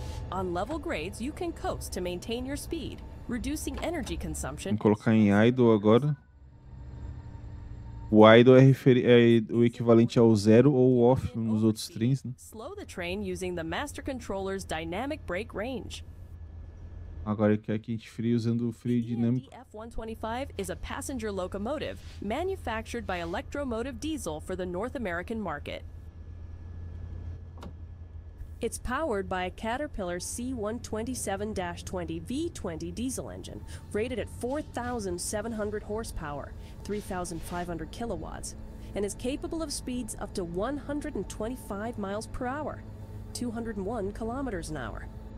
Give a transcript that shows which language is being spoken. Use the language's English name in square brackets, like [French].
[English] On level grades, you can coast to maintain your speed, reducing energy consumption. [Portuguese] Vamos colocar em idle agora. O idle é o equivalente ao zero ou off nos outros trens, né? [English] Slow the train using the master controller's dynamic brake range. [Portuguese] Agora quer que a gente freie usando o freio [English] The [Portuguese] dinâmico. [English] ENDF 125 is a passenger locomotive manufactured by Electromotive Diesel for the North American market. It's powered by a Caterpillar C127-20 V20 diesel engine, rated at 4,700 horsepower, 3,500 kilowatts, and is capable of speeds up to 125 miles per hour, 201 kilometers an hour.